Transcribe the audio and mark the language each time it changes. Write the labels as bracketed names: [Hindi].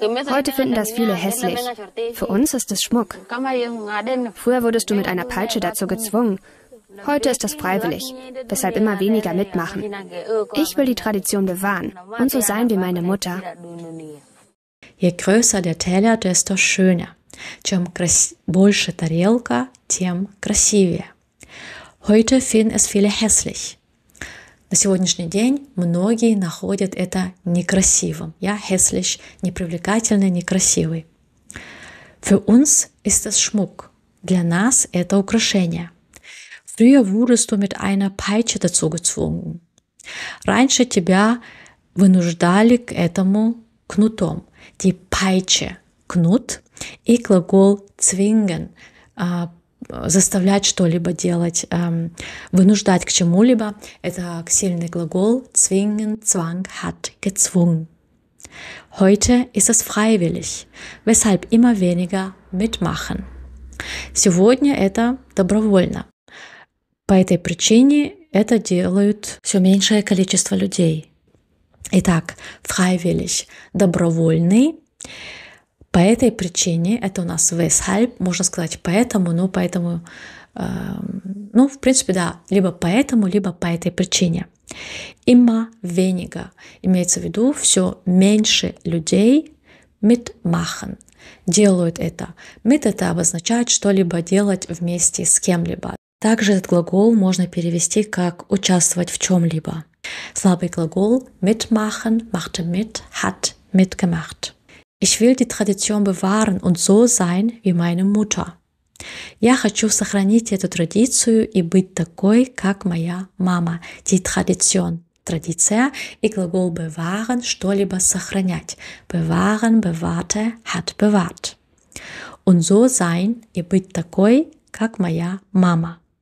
[German] Heute finden das viele hässlich. Für uns ist es Schmuck. Früher wurdest du mit einer Peitsche dazu gezwungen. Heute ist das freiwillig, weshalb immer weniger mitmachen. Ich will die Tradition bewahren und so sein wie meine Mutter. Je größer der Teller, desto schöner. [Russian] Чем больше тарелка, тем красивее. [German] Heute finden es viele hässlich. [Russian] На сегодняшний день многие находят это некрасивым. Я [German] hässlich, [Russian] непривлекательный, некрасивый. [German] Für uns ist das Schmuck. [Russian] Для нас это украшение. [German] Früher wurdest du mit einer Peitsche dazu gezwungen. [Russian] Раньше тебя вынуждали к этому кнутом. [German] Die Peitsche, [Russian] Knut, и глагол [German] zwingen, [Russian] заставлять что-либо делать, вынуждать к чему-либо, это ксильный глагол [German] zwingen, zwang, hat, gezwungen. Heute ist es freiwillig, weshalb immer weniger mitmachen. [Russian] Сегодня это добровольно. По этой причине это делают все меньшее количество людей. Итак, [German] freiwillig, [Russian] добровольный. По этой причине, это у нас [German] weshalb, [Russian] можно сказать поэтому, но поэтому, ну, в принципе, да, либо поэтому, либо по этой причине. [German] Immer weniger, [Russian] имеется в виду, все меньше людей [German] mitmachen, [Russian] делают это. [German] Mit [Russian] – это обозначает что-либо делать вместе с кем-либо. Также этот глагол можно перевести как участвовать в чем-либо. Слабый глагол [German] mitmachen, machte mit, hat mitgemacht. Ich will die Tradition bewahren und so sein wie meine Mutter. [Russian] Я хочу сохранить эту традицию и быть такой, как моя мама. [German] Die Tradition – [Russian] традиция. И глагол [German] bewahren [Russian] – что-либо сохранять. [German] Bewahren – bewahrte, hat bewahrt. Und so sein [Russian] – и быть такой, как моя мама.